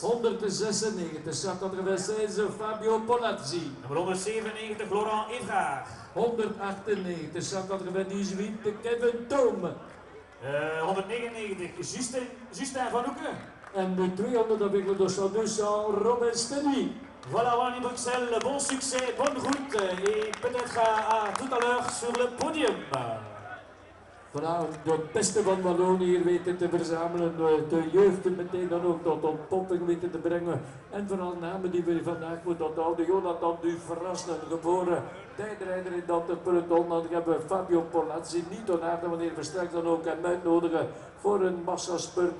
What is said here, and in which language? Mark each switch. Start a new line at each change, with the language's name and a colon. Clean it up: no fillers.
Dutch: 196, Saint-Quentin-Cantonze, Fabio Polazzi. Nummer 197, Laurent Evraard. 198, Saint-Quentin-Cantonze, Kevin Thome. 199, Justin Van Hoeken. En de 200, dat ik door zou doen, zou Robin Stenny.
French: Voilà, Wallonie Bruxelles, bon succès, bonne route, et peut-être à tout à l'heure sur le podium.
Dutch: vanavond de beste van Wallonië hier weten te verzamelen, de jeugd meteen dan ook tot ontpopping weten te brengen. En vooral namen die we vandaag moeten onthouden. Jonathan Duverrassen, geboren tijdrijder in dat peloton. Dan hebben we Fabio Polazzi, niet onaardig wanneer we straks dan ook hem uitnodigen voor een massaspurt.